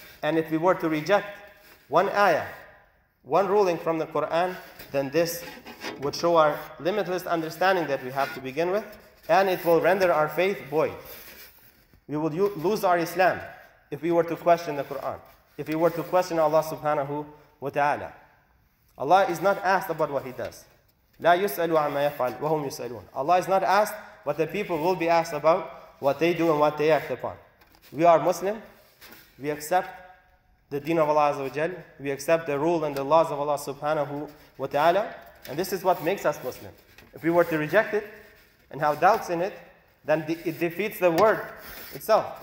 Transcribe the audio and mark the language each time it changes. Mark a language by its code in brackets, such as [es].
[en] And if we were to reject one ayah, one ruling from the Quran, then this would show our limitless understanding that we have to begin with, and it will render our faith void. We would lose our Islam if we were to question the Quran, if we were to question Allah subhanahu wa ta'ala. Allah is not asked about what He does. [ar] لا يسألوا عما يفعل وهم يسألون. [en] Allah is not asked what the people will be asked about, what they do and what they act upon. We are Muslim. We accept the deen of Allah azza wa jal. We accept the rule and the laws of Allah subhanahu wa ta'ala. And this is what makes us Muslim. If we were to reject it and have doubts in it, then it defeats the word itself.